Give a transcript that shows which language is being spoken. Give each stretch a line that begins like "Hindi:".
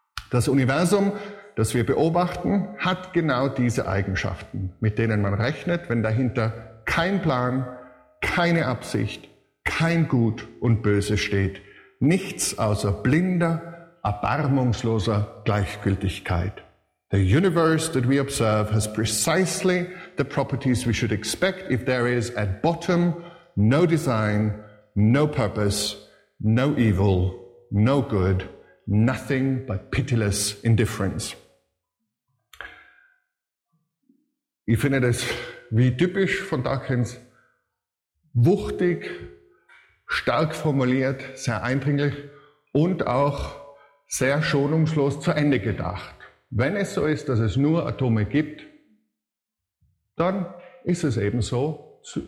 German: Das Universum, das wir beobachten, hat genau diese Eigenschaften, mit denen man rechnet, wenn dahinter kein Plan, keine Absicht, kein Gut und Böse steht. Nichts außer blinder, erbarmungsloser Gleichgültigkeit.
English: The universe that we observe has precisely the properties we should expect if there is at bottom no design, no purpose, no evil, no good, nothing but pitiless indifference.
German: Ich finde das wie typisch von Dawkins, wuchtig, stark formuliert, sehr eindringlich und auch sehr schonungslos zu Ende gedacht. Wenn es so ist, dass es nur Atome gibt, dann ist es eben so.